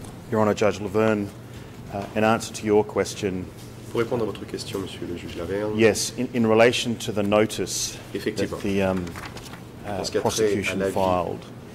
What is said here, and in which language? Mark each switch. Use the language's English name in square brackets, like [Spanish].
[English] Your Honor, Judge Laverne, in answer to your question. [French] Pour répondre à votre question, Monsieur le Juge Laverne. [English] Yes, in relation to the notice that the prosecution filed.